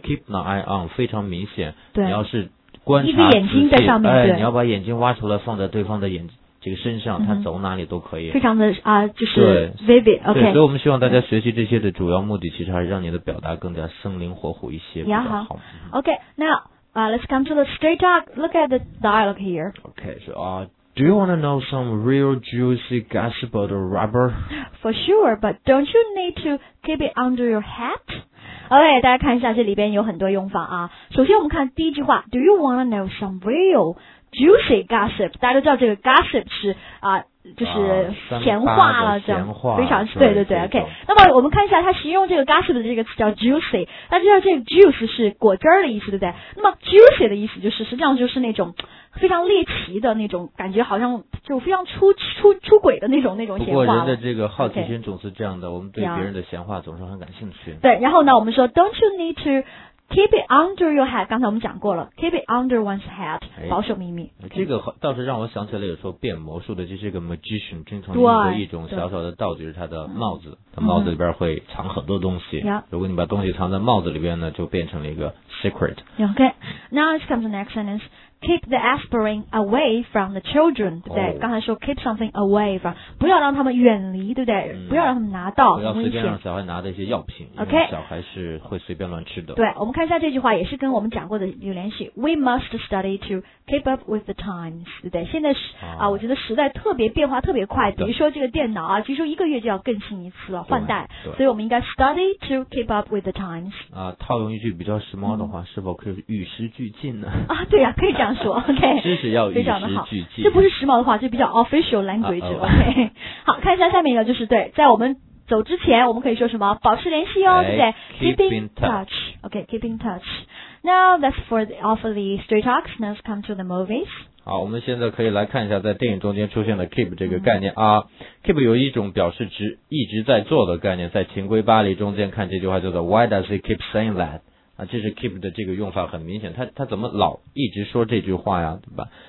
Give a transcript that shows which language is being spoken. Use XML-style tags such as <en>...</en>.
<zh>keep an eye on 非常明显，对，你要是观察一个眼睛在上面，哎对，你要把眼睛挖出来放在对方的眼睛。这个身上，他走哪里都可以，非常的啊，就是 vivid。OK，对，所以我们希望大家学习这些的主要目的，其实还是让你的表达更加生灵活虎一些比较好。好</zh> <en>，OK， now let's come to the straight talk. Look at the dialogue here. OK， so do you want to know some real juicy gossip about the rubber? For sure, but don't you need to keep it under your hat?</en> <zh>OK， 大家看一下这里边有很多用法啊。首先我们看第一句话</zh> <en>，Do you want to know some real juicy gossip？</en> <zh>大家都知道这个 gossip 是啊、就是闲话了、啊、这样，闲话非常对对对。OK， 那么我们看一下它形容这个 gossip 的这个词叫 juicy， 大家知道这个 juice 是果汁的意思，对不对？那么 juicy 的意思就是实际上就是那种非常猎奇的那种感觉，好像就非常出轨的那种闲话。不过人的这个好奇心总是这样的，</zh> <en>okay,</en> <zh>我们对别人的闲话总是很感兴趣。对，然后呢，我们说</zh> <en>don't you need to keep it under your hat？</en> <zh>刚才我们讲过了</zh> <en>，keep it under one's hat，、</en> <zh>哎、保守秘密。Okay, 这个倒是让我想起了有时候变魔术的，就是一个 magician 经常用的一种小小的道具，是他的帽子。他帽子里边会藏很多东西、嗯。如果你把东西藏在帽子里边呢，就变成了一个 secret。</zh> <en>Okay, now let's come to the next sentence. Keep the aspirin away from the children,</en> <zh>对不对、</zh> <en>哦、</en> <zh>刚才说</zh> <en>keep something away from,</en> <zh>不要让他们远离，对不对、嗯、不要让他们拿到，不要随便让小孩拿的一些药品。</zh> <en>OK，</en> <zh>小孩是会随便乱吃的。对，我们看一下这句话也是跟我们讲过的有联系。</zh> <en>We must study to keep up with the times,</en> <zh>对不对？现在、哦、啊，我觉得时代特别变化特别快，比如说这个电脑啊，据说一个月就要更新一次了，换代，所以我们应该</zh> <en>study to keep up with the times。</en> <zh>啊，套用一句比较时髦的话、嗯、是否可以与时俱进呢？啊，对呀、啊，可以讲说 OK，知识要与时俱进，这不是时髦的话，这比较 official language、啊、 OK， 好，看一下下面一个，就是对，在我们走之前，我们可以说什么？保持联系哦，哎、对不对</zh> <en>？Keep in touch， OK， keep in touch。 Now that's for the off the straight talks. Now let's come to the movies。</en> <zh>好，我们现在可以来看一下在电影中间出现的 keep 这个概念、嗯、啊。keep 有一种表示一直在做的概念，在《情归巴黎》中间看这句话叫做</zh> <en>Why does he keep saying that？</en> <zh>啊，这是 keep 的这个用法很明显，他怎么老一直说这句话呀，对吧？</zh>